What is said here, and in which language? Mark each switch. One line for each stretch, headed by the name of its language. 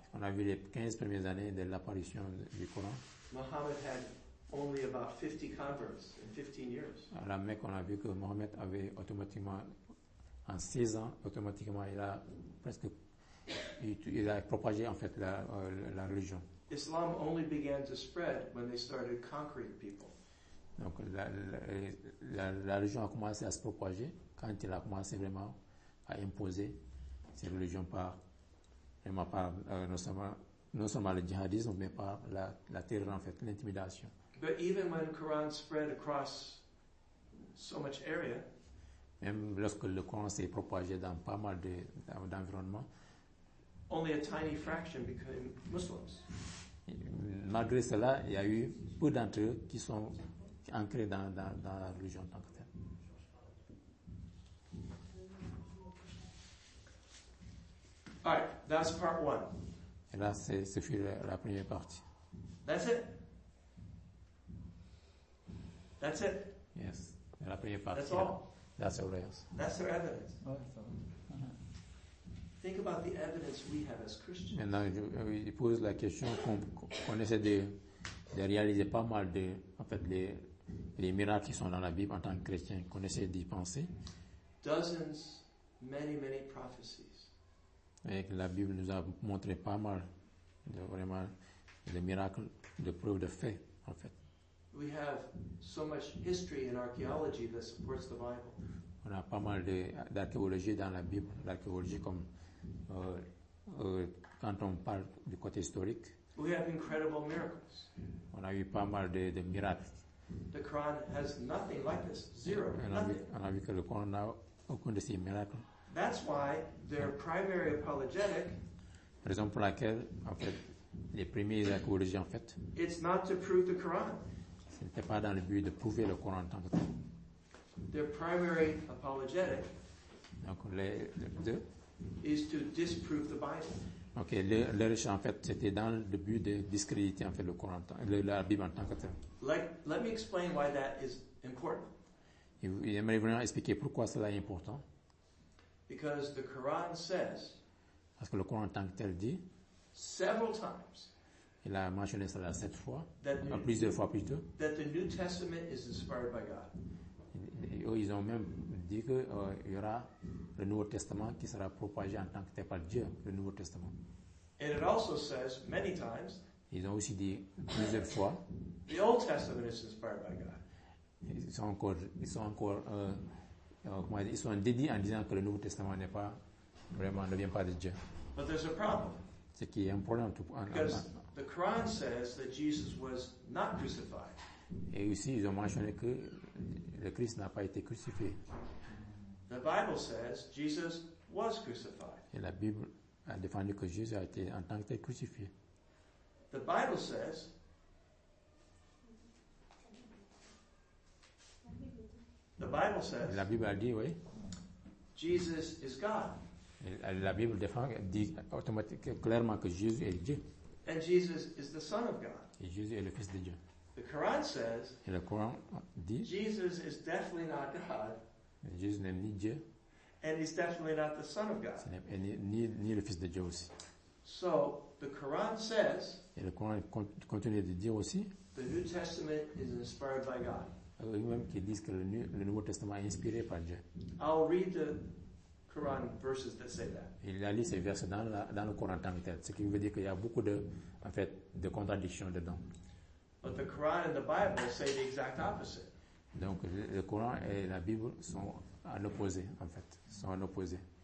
French: on a vu les 15 premières années de l'apparition du Coran.
English: Muhammad had only about 50 converts in 15 years.
French: À la Mecque, on a vu que Mohammed avait automatiquement, en 16 ans, automatiquement, il a presque, il a propagé en fait la religion.
English: Islam only began to spread when they started conquering people.
French: Donc la religion a commencé à se propager quand il a commencé vraiment à imposer ses religions par vraiment par non seulement le djihadisme mais par la terreur en fait, l'intimidation.
English: But even when the Quran spread across so much area,
French: même lorsque le Coran s'est propagé dans pas mal d'environnements,
English: only a tiny fraction became Muslims.
French: Malgré cela, il y a eu peu d'entre eux qui sont ancré dans la religion en tant que telle.
English: All right, that's part one.
French: Et là, c'est fut la première partie.
English: That's it. That's it.
French: Yes, et la première partie.
English: That's all. That's all else. That's their evidence. Uh-huh. Think about the evidence we have as Christians.
French: Maintenant, je pose la question qu'on essaie de réaliser pas mal de, en fait, les miracles qui sont dans la Bible en tant que chrétien, qu'on essaie d'y penser.
English: Dozens, many prophecies.
French: Et la Bible nous a montré pas mal de vraiment de miracles, de preuves de faits en fait.
English: We have so much history and archaeology that supports the Bible.
French: On a pas mal d'archéologie dans la Bible, l'archéologie comme quand on parle du côté historique.
English: We have incredible miracles.
French: On a eu pas mal de miracles.
English: The Quran has nothing like this. Zero.
French: On a vu que le Coran n'a aucun de ces miracles.
English: That's why their primary apologetic.
French: Raison pour laquelle, en fait, les premiers apologies, en fait.
English: It's not to prove the Quran.
French: Ce n'était pas dans le but de prouver le Coran en tant que tel.
English: Their primary apologetic.
French: Donc les deux.
English: Is to disprove the Bible.
French: Ok, le recherche en fait, c'était dans le but de discréditer en fait le Coran, la Bible en tant que telle.
English: Let me explain why that is important.
French: J'aimerais vraiment expliquer pourquoi cela est important.
English: Because the Quran says.
French: Parce que le Coran en tant que tel dit.
English: Several times.
French: Il a mentionné cela 7 fois. Plusieurs fois plutôt.
English: That the New Testament is inspired by God.
French: Ils ont même dit que il y aura le Nouveau Testament qui sera propagé en tant que tel par Dieu, le Nouveau Testament.
English: And it also says many times.
French: Ils ont aussi dit plusieurs fois.
English: The Old Testament is inspired by God.
French: Ils sont dédiés en disant que le Nouveau Testament n'est pas vraiment ne vient pas de Dieu.
English: But there's a problem.
French: Ce qui est un problème.
English: Because the Quran says that Jesus was not crucified.
French: Et aussi ils ont mentionné que le Christ n'a pas été crucifié.
English: The Bible says Jesus was crucified.
French: Et la Bible a défendu que Jésus a été en tant que crucifié.
English: The Bible says. The Bible says.
French: La Bible a dit oui.
English: Jesus is God.
French: Et la Bible dit automatiquement clairement que Jésus est Dieu.
English: And Jesus is the Son of God.
French: Et Jésus est le Fils de Dieu.
English: The Quran says.
French: Et le Coran dit.
English: Jesus is definitely not God.
French: Jésus n'est ni Dieu.
English: And he's definitely not the Son of God.
French: Ni le Fils de Dieu aussi.
English: So the Quran says.
French: Et le Coran continue de dire aussi.
English: The New Testament is inspired by God.
French: Eux-mêmes qui disent que le Nouveau Testament est inspiré par Dieu.
English: I'll read the Quran verses that say that.
French: Il a lu ces versets dans le Coran tant que tel, ce qui veut dire qu'il y a beaucoup de contradictions dedans.
English: But the Quran and the Bible say the exact opposite.
French: Donc le Coran et la Bible sont en opposé en fait, sont en opposé.